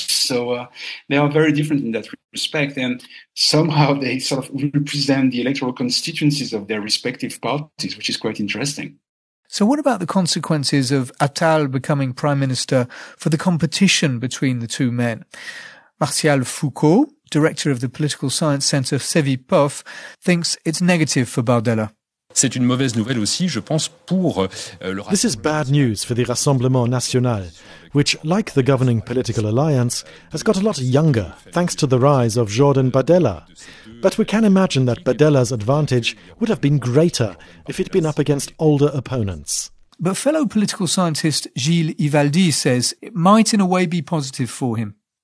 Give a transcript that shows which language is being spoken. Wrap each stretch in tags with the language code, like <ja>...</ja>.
<en>So they are very different in that respect. And somehow they sort of represent the electoral constituencies of their respective parties, which is quite interesting. So what about the consequences of Attal becoming prime minister for the competition between the two men? Martial Foucault, director of the political science center CEVIPOF, thinks it's negative for Bardella.</en> <fr>C'est une mauvaise nouvelle aussi, je pense, pour le.</fr> <en>This is bad news for the Rassemblement National, which, like the governing political alliance, has got a lot younger thanks to the rise of Jordan Bardella. But we can imagine that Bardella's advantage would have been greater if he'd been up against older opponents. But fellow political scientist Gilles Ivaldi says it might in a way be positive for him.</en>